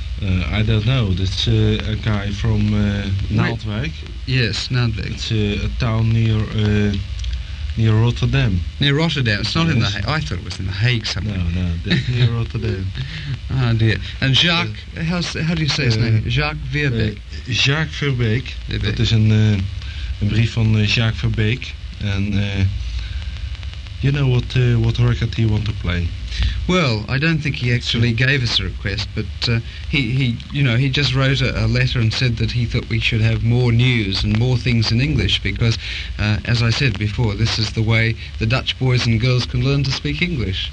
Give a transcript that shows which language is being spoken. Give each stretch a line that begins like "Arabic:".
English: I don't know. That's a guy from Naaldwijk. Yes, Naaldwijk. It's a town near Rotterdam. Near Rotterdam. It's not in the Hague. I thought it was in The Hague somewhere. No, near Rotterdam. Oh, dear. And Jacques, how do you say his name? Jacques Verbeek. Jacques Verbeek.
Dutch: Dat is een brief van Jacques Verbeek.
English: And you know what record he want to play? Well, I don't think he actually gave us a request, but he just wrote a letter and said that he thought we should have more news and more things in English because, as I said before, this is the way the Dutch boys and girls can learn to speak English.